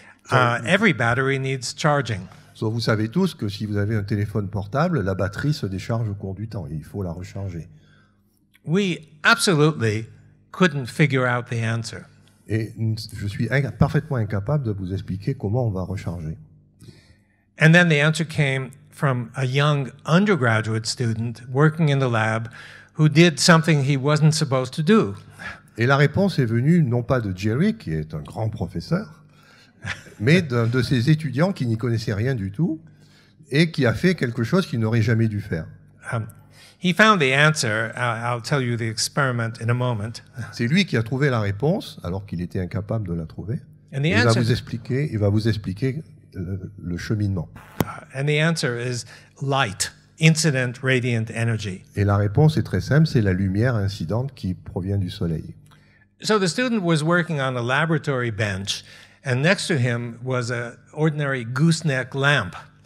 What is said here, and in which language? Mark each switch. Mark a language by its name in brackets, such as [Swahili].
[English] Every battery needs charging. [French] So vous savez tous que si vous avez un téléphone portable, la batterie se décharge au cours du temps. Il faut la recharger. [English] We absolutely couldn't figure out the answer. [French] et je suis parfaitement incapable de vous expliquer comment on va recharger. [English] And then the answer came from a young undergraduate student working in the lab who did something he wasn't supposed to do. [French] Et la réponse est venue non pas de Jerry, qui est un grand professeur, mais d'un de ses étudiants qui n'y connaissait rien du tout et qui a fait quelque chose qu'il n'aurait jamais dû faire. [English] He found the answer. I'll tell you the experiment in a moment. [French] C'est lui qui a trouvé la réponse alors qu'il était incapable de la trouver. [English] And the answer, [French] il va vous expliquer le cheminement. [English] And the answer is light, incident radiant energy. [French] Et la réponse est très simple, c'est la lumière incidente qui provient du soleil. [English] So the student was working on a laboratory bench and next to him was an ordinary gooseneck lamp.